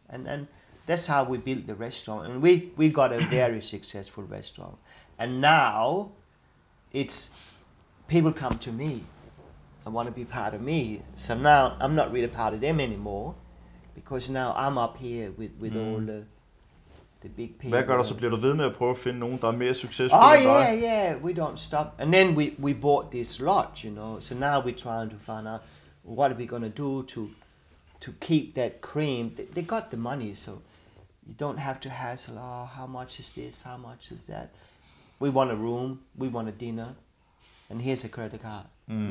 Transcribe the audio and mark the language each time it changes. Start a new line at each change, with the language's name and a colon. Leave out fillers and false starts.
English: And that's how we built the restaurant. And we got a very successful restaurant. And now it's people come to me and want to be part of me. So now I'm not really part of them anymore. Because now I'm up here with all the big people.
Danish: Hvad gør du, så bliver du ved med at prøve at finde nogen, der er mere succesfulde end dig?
English: Oh yeah, we don't stop. And then we bought this lot, you know. So now we're trying to find out what are we going to do to keep that cream. They got the money, so you don't have to hassle, oh, how much is this, how much is that. We want a room, we want a dinner, and here's a credit card. Mm.